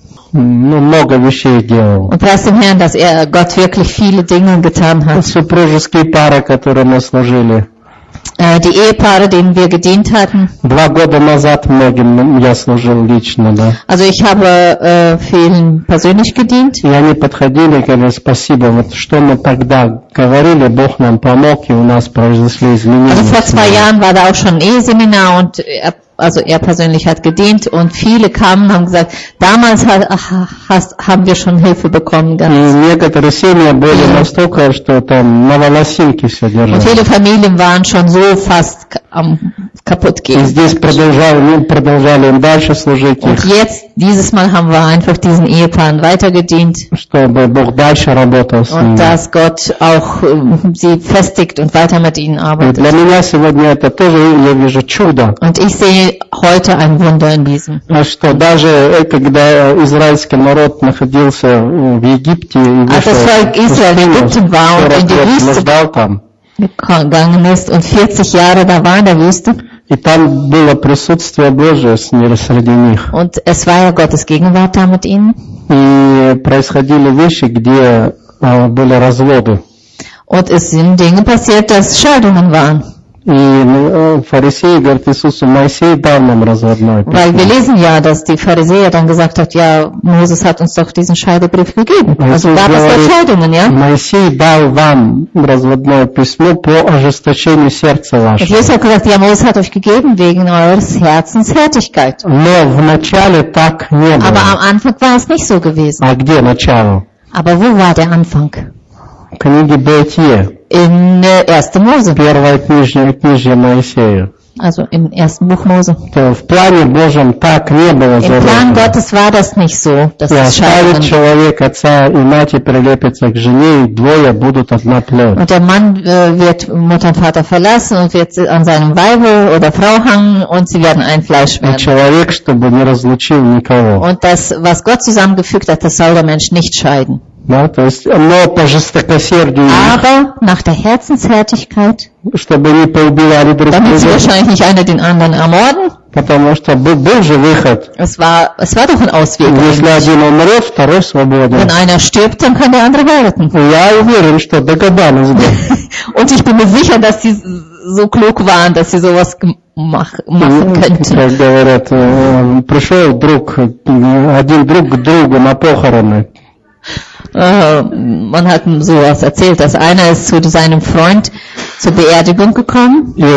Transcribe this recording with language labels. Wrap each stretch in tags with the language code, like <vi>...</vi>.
<ru>Ну, много вещей делал.</ru> <de>Und preis dem Herrn, dass er Gott wirklich viele Dinge getan hat. Und</de> <ru>супружеские пары, которые мы служили.</ru> <de>Die Ehepaare, denen wir gedient hatten.</de> <ru>Два года назад многим я служил лично, да.</ru> <de>Also ich habe vielen persönlich gedient.</de> <ru>И они подходили, говорили, спасибо, вот что мы тогда говорили, Бог нам помог, и у нас произошли изменения.</ru> <de>Also vor zwei Jahren war da auch schon ein Eheseminar und also er persönlich hat gedient und viele kamen und haben gesagt, damals haben wir schon Hilfe bekommen. Ganz. Und viele Familien waren schon so fast am kaputt gehen. Und jetzt, dieses Mal haben wir einfach diesen Ehepaaren weitergedient. Und dass Gott auch sie festigt und weiter mit ihnen arbeitet. Und ich sehe heute ein Wunder in diesem.</de> <ru>А что даже когда израильский народ находился в Египте и вышел</ru> <de>gegangen ist und 40 Jahre da war in der Wüste.</de> <ru>И там было присутствие Божие с ними среди них.</ru> <de>Und es war ja Gottes Gegenwart da mit ihnen.</de> <ru>И происходили вещи, где были разводы.</ru> <de>Und es sind Dinge passiert, dass Scheidungen waren.</de> <ru>И фарисеи говорят Иисусу, Моисей дал нам разводное письмо.</ru> <de>Weil wir lesen ja, dass die Pharisäer dann gesagt hat, ja, Moses hat uns doch diesen Scheidebrief gegeben. Also gab es Scheidungen, ja?</de> <ru>Моисей дал вам разводное письмо по ожесточению сердца вашего.</ru> <de>Jesus hat gesagt, ja, Moses hat euch gegeben wegen eures Herzens Härtigkeit.</de> <ru>Но вначале так не было.</ru> <de>Aber am Anfang war es nicht so gewesen.</de> <ru>А где начало?</ru> <de>Aber wo war der Anfang?</de> <ru>Книги Бытие.</ru> <de>In 1. Mose.</de> <ru>Первая книжная книжа Моисея.</ru> <de>Also im ersten Buch Mose.</de> <ru>То в плане Божьем так не было.</ru> <de>Im Plan Gottes war das nicht so, dass es scheiden.</de> <ru>Оставит человек отца и мать прилепится к жене, и двое будут одна плоть.</ru> <de>Und der Mann wird Mutter und Vater verlassen und wird an seinem Weibe oder Frau hängen und sie werden ein Fleisch werden. Und</de> <ru>человек, чтобы не разлучил никого.</ru> <de>Und das, was Gott zusammengefügt hat, das soll der Mensch nicht scheiden.</de> <ru>Да, то есть, но по жестокосердию.</ru> <de>Aber nach der Herzenshärtigkeit.</de> <ru>Чтобы не поубили один друг друга.</ru> <de>Damit sie wahrscheinlich nicht einer den anderen ermorden.</de> <ru>Потому что был же выход.</ru> <de>Es war doch ein Ausweg.</de> <ru>Если один умрет, второй свободен.</ru> <de>Wenn einer stirbt, dann kann der andere warten.</de> <ru>Я уверен, что догадались бы.</ru> <de>Und ich bin mir sicher, dass sie so klug waren, dass sie sowas machen könnten.</de> <ru>Как говорят, пришел друг, один друг к другу на похороны.</ru> <de>Man hat sowas erzählt, dass einer ist zu seinem Freund zur Beerdigung gekommen.</de>